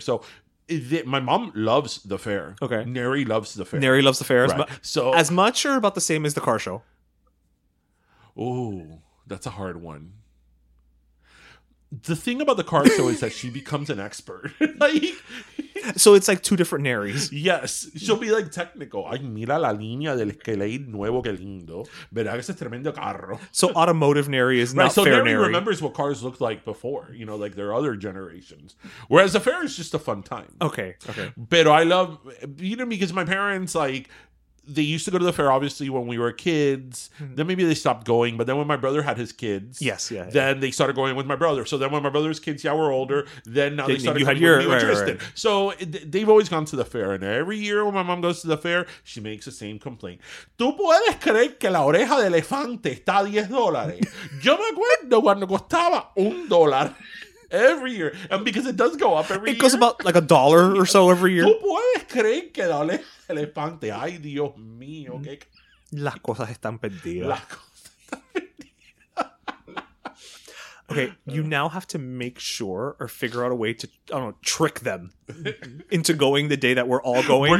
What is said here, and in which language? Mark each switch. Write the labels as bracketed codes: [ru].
[en] So my mom loves the fair. Okay. Neri loves the fair. Neri loves the fair. As much or about the same as the car show. Oh, that's a hard one. The thing about the car show is that she becomes an expert. So it's like two different Neris. Yes. She'll be like technical. [es] Ay, mira la línea del Escalade nuevo, que lindo. Verá que ese es tremendo carro. [en] So automotive Neri is not fair Neri. So Neri remembers what cars looked like before, you know, like their other generations. Whereas the fair is just a fun time. Okay. Pero I love, you know, because my parents, like, they used to go to the fair, obviously, when we were kids. Then maybe they stopped going. But then when my brother had his kids, they started going with my brother. So then when my brother's kids, were older, then now they started going with me. So they've always gone to the fair. And every year when my mom goes to the fair, she makes the same complaint. [es] ¿Tú puedes creer que la oreja de elefante está a $10? Yo me acuerdo cuando costaba $1. [en] Every year. And because it does go up every year. It goes about like $1 or so every year. [es] ¿Tú puedes creer que la oreja elefante? Ay, Dios mío. Las cosas están perdidas. Las cosas están perdidas. [en] Okay, you now have to make sure or figure out a way to, I don't know, trick them into going the day that we're all going.